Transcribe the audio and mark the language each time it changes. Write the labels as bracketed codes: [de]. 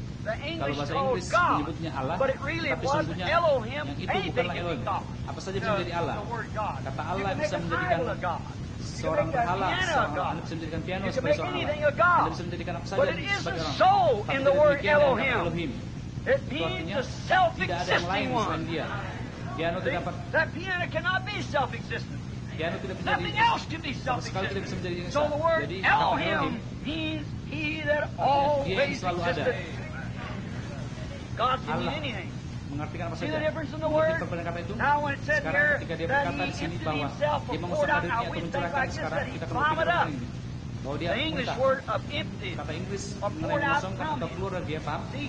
[id] kalau bahasa Inggris menyebutnya Allah, tapi sebetulnya yang itu bukanlah Elohim. Apa saja bisa menjadi Allah. Kata Allah bisa menjadikan seorang berhala, anda bisa menjadikan piano sebagai seorang Allah. Anda bisa menjadikan apa saja sebagai orang. Tapi demikian yang dikatakan Elohim. Itu artinya tidak ada yang lain selain dia. Piano tidak dapat. [en] That piano cannot be self-existent. [id] Piano tidak menjadi. [en] Nothing else can be self-existent. [id] Tidak bisa menjadi. [en] So the word Elohim means he that always existed. God can mean anything. [id] Mengartikan apa saja. Mengerti perbedaan kata itu. Sekarang ketika dia berkata di sini bahwa dia mengusahakan dirinya atau mencurahkan sekarang, kita kembali ke dalam ini. Bahwa dia muntah. Kata Inggris mengenai mengosongkan atau keluar dari dia, paham?